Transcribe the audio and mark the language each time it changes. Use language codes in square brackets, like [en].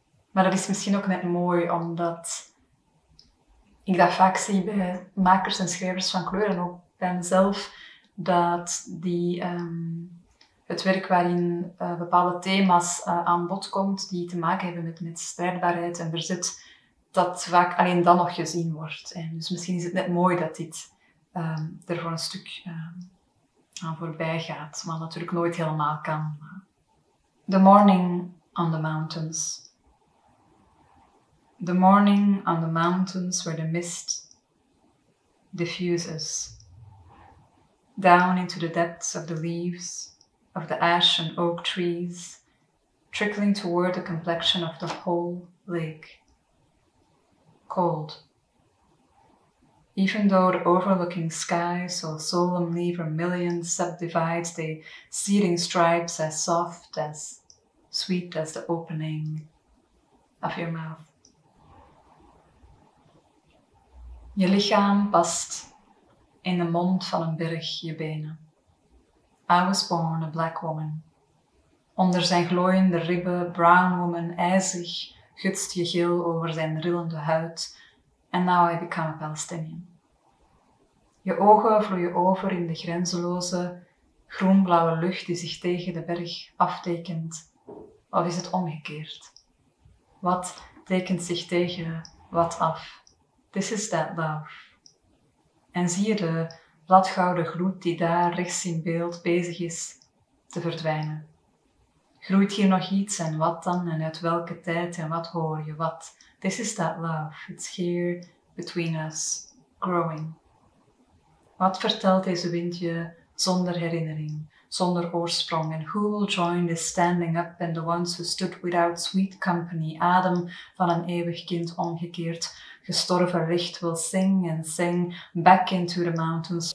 [nl] Maar dat is misschien ook net mooi, omdat ik dat vaak zie bij makers en schrijvers van kleur en ook bij mezelf, dat die, het werk waarin bepaalde thema's aan bod komt, die te maken hebben met strijdbaarheid en verzet, dat vaak alleen dan nog gezien wordt. En dus misschien is het net mooi dat dit er voor een stuk aan voorbij gaat, maar natuurlijk nooit helemaal kan. [en] The morning on the mountains. The morning on the mountains where the mist diffuses down into the depths of the leaves of the ash and oak trees, trickling toward the complexion of the whole lake. Cold. Even though the overlooking sky so solemnly vermilion subdivides the seeding stripes as soft, as sweet as the opening of your mouth. [nl] Je lichaam past in the mond van een berg je benen. [en] I was born a black woman. [nl] Onder zijn glooiende ribben, [en] brown woman, [nl] ijzig, gutst je gil over zijn rillende huid. [en] And now I become a Palestinian. [nl] Je ogen vloeien over in de grenzeloze, groenblauwe lucht die zich tegen de berg aftekent. Of is het omgekeerd? Wat tekent zich tegen wat af? [en] This is that love. [nl] En zie je de bladgouden gloed die daar rechts in beeld bezig is te verdwijnen? Groeit hier nog iets en wat dan en uit welke tijd en wat hoor je wat? [en] This is that love. It's here between us, growing. [nl] Wat vertelt deze wind je zonder herinnering, zonder oorsprong? [en] And who will join the standing up and the ones who stood without sweet company? [nl] Adem van een eeuwig kind omgekeerd, gestorven licht [en] will sing and sing back into the mountains.